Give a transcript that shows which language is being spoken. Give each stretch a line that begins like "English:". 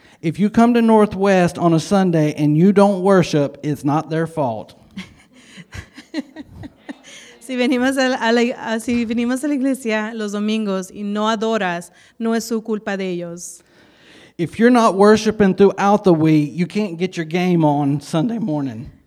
English: If you come to Northwest on a Sunday and you don't worship, it's not their fault.
Spanish: Si venimos a la iglesia los domingos y no adoras, no es su culpa de ellos.
English: If you're not worshiping throughout the week, you can't get your game on Sunday morning.